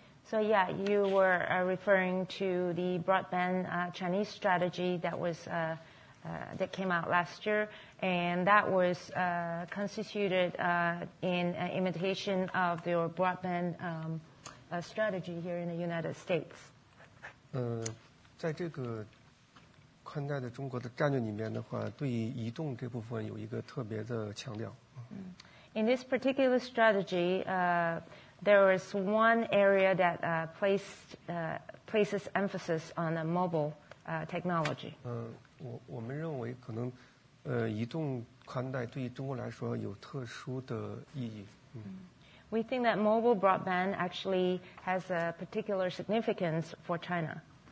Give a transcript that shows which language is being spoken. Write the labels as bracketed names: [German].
[English] So yeah, you were referring to the broadband Chinese strategy that was that came out last year, and that was constituted in an imitation of your broadband strategy here in the United States. [Chinese] 在这个宽带的中国的战略里面的话, 对移动这部分有一个特别的强调。 [English] In this particular strategy, there was one area that places emphasis on a mobile technology. [Chinese] 我们认为可能 移动宽带对于中国来说有特殊的意义。 [English] We think that mobile broadband actually has a particular significance for China.